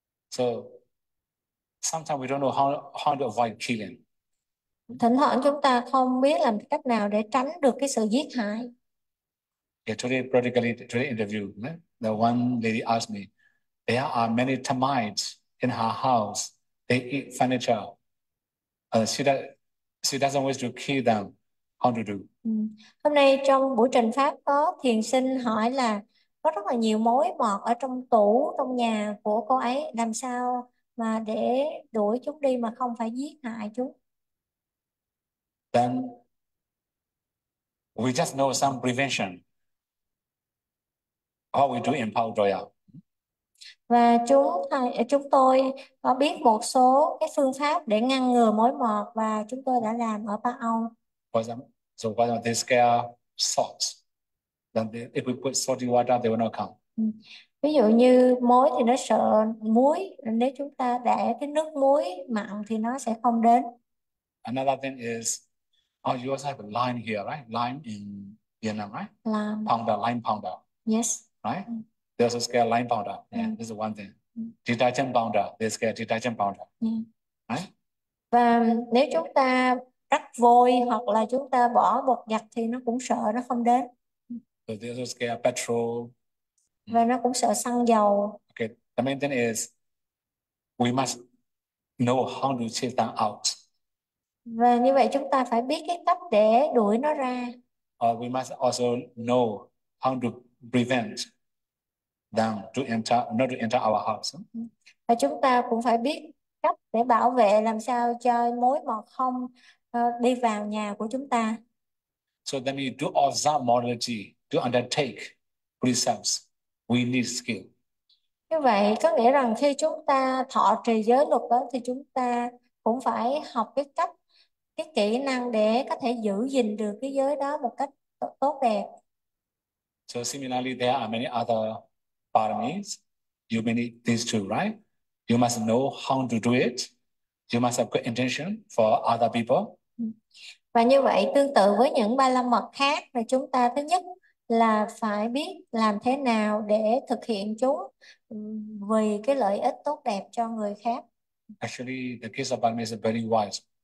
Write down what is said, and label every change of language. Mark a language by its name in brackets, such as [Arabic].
[English] So, sometimes we don't know how to avoid killing. [Vietnamese] Thỉnh thoảng chúng ta không biết làm cách nào để tránh được cái sự giết hại. [English] Today, practically today interview, right? The one lady asked me, there are many termites in her house. They eat furniture. She doesn't wish to kill them. How to do? [Vietnamese] Hôm nay trong buổi trình pháp có thiền sinh hỏi là có rất là nhiều mối mọt ở trong tủ trong nhà của cô ấy, làm sao mà để đuổi chúng đi mà không phải giết hại chúng? [English] Then we just know some prevention. How we do in Power Royale. [Vietnamese] Và chúng tôi có biết một số cái phương pháp để ngăn ngừa mối mọt và chúng tôi đã làm ở Ba Âu. [English] For example, so why don't they scare salt? Then they, if we put salty water, they will not come. [Vietnamese] Ví dụ như muối thì nó sợ muối, nếu chúng ta để cái nước muối mặn thì nó sẽ không đến. [English] Another thing is, oh, you also have a lime here, right? Lime in Vietnam, right? [Vietnamese] Làm. [English] Powder, lime powder. Yes. Right? They also scare lime powder. Yeah, this is one thing. Detergent powder, they scare detergent powder. Right? [Vietnamese] Và nếu chúng ta rắc vôi hoặc là chúng ta bỏ bột giặt thì nó cũng sợ, nó không đến. [English] So they also scare petrol. [Vietnamese] Và nó cũng sợ xăng dầu. [English] Okay, the main thing is we must know how to chase them out. [Vietnamese] Và như vậy chúng ta phải biết cái cách để đuổi nó ra. [English] We must also know how to prevent them to enter, not to enter our house. [Vietnamese] Và chúng ta cũng phải biết cách để bảo vệ làm sao cho mối mọt không đi vào nhà của chúng ta. [English] So then we do observe morality to undertake precepts. We need skill. [Vietnamese] Như vậy có nghĩa rằng khi chúng ta thọ trì giới luật đó thì chúng ta cũng phải học cái cách, cái kỹ năng để có thể giữ gìn được cái giới đó một cách tốt đẹp. [English] So similarly, there are many other paramis. You may need these two, right? You must know how to do it. You must have good intention for other people. [Vietnamese] Và như vậy tương tự với những ba la mật khác là chúng ta thứ nhất là phải biết làm thế nào để thực hiện chúng vì cái lợi ích tốt đẹp cho người khác. [English] Actually, the case of Balmy is very wise.